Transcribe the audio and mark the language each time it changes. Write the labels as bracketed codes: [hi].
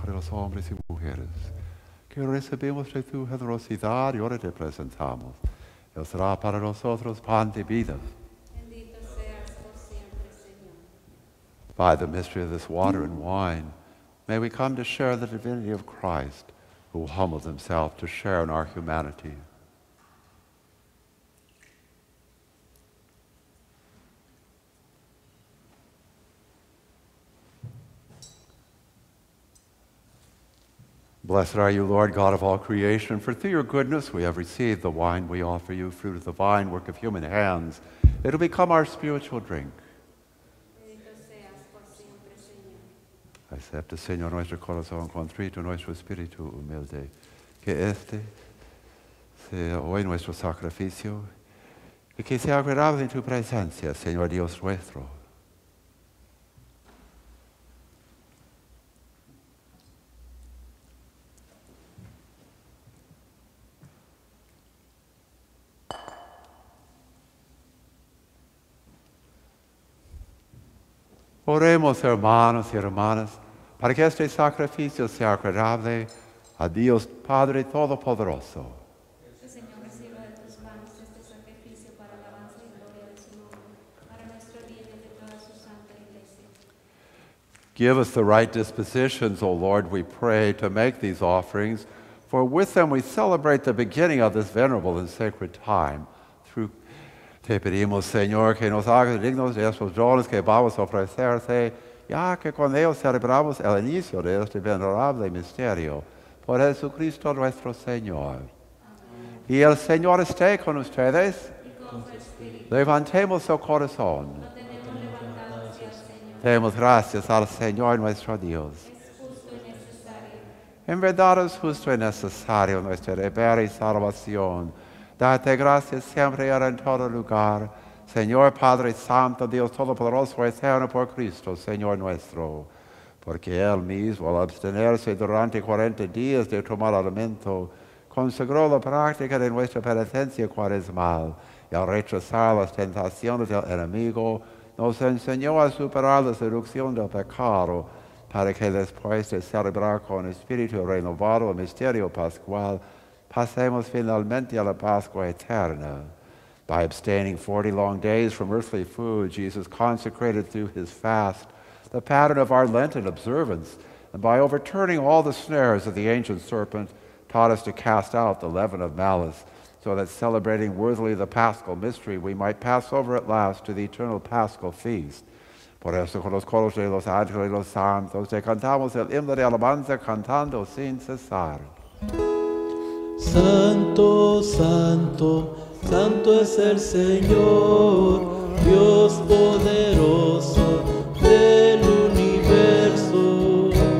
[es] Hombres y mujeres que recibimos de tu generosidad y ahora te presentamos. Él será para nosotros pan de vida. Bendito seas por siempre, Señor. [en] By the mystery of this water and wine, may we come to share the divinity of Christ, who humbled himself to share in our humanity. Blessed are you, Lord God of all creation, for through your goodness we have received the wine we offer you, fruit of the vine, work of human hands. It will become our spiritual drink. [es] Bendito seas por siempre, Señor. Acepta, Señor, nuestro corazón contrito, nuestro espíritu humilde, que este sea hoy nuestro sacrificio, y que sea agradable en tu presencia, Señor Dios nuestro. Oremos, hermanos y hermanas, para que este sacrificio sea agradable a Dios Padre Todopoderoso. Que el Señor reciba de tus manos este sacrificio para la alabanza y gloria de su nombre, para nuestro bien y de toda su santa Iglesia. [en] Give us the right dispositions, O Lord, we pray, to make these offerings, for with them we celebrate the beginning of this venerable and sacred time. [es] Te pedimos, Señor, que nos hagas dignos de estos dones que vamos a ofrecerte, ya que con ellos celebramos el inicio de este venerable misterio, por Jesucristo nuestro Señor. Amén. Y el Señor esté con ustedes. Y con su espíritu. Levantemos el corazón. Lo tenemos levantado hacia el Señor. Demos gracias al Señor nuestro Dios. Es justo y necesario. En verdad es justo y necesario nuestra deber y salvación. Date gracias siempre y en todo lugar. Señor Padre Santo, Dios Todopoderoso, eterno por Cristo, Señor nuestro. Porque Él mismo, al abstenerse durante 40 días de tomar alimento, consagró la práctica de nuestra penitencia cuaresmal y al rechazar las tentaciones del enemigo, nos enseñó a superar la seducción del pecado para que después de celebrar con espíritu renovado el misterio pascual, pasemos finalmente a la Pascua eterna. [en] By abstaining 40 long days from earthly food, Jesus consecrated through his fast the pattern of our Lenten observance, and by overturning all the snares of the ancient serpent, taught us to cast out the leaven of malice, so that celebrating worthily the Paschal mystery, we might pass over at last to the eternal Paschal feast. [es] Por eso con los coros de los ángeles y los santos, te cantamos el himno de alabanza cantando sin cesar. Santo, santo, santo es el Señor, Dios poderoso del universo.